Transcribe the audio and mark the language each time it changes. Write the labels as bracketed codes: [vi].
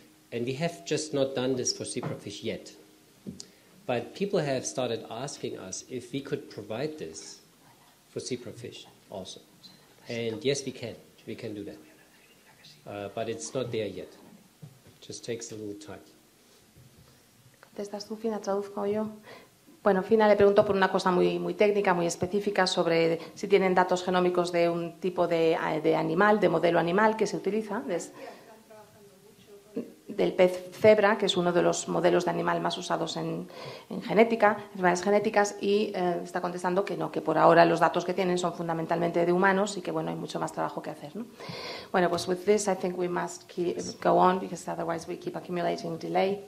[en] And we have just not done this for zebra fish yet. But people have started asking us if we could provide this for zebra fish also. And yes, we can. We can do that. But it's not there yet. It just takes a little time. [es] Contestas tú, Fina, traduzco yo. Bueno, Fina le preguntó por una cosa muy, muy técnica, muy específica, sobre si tienen datos genómicos de un tipo de animal, de modelo animal que se utiliza. Del pez cebra, que es uno de los modelos de animal más usados en genética, enfermedades genéticas, y está contestando que no, que por ahora los datos que tienen son fundamentalmente de humanos y que, bueno, hay mucho más trabajo que hacer, ¿no? Bueno, pues [en] with this I think we must keep, go on, because otherwise we keep accumulating delay.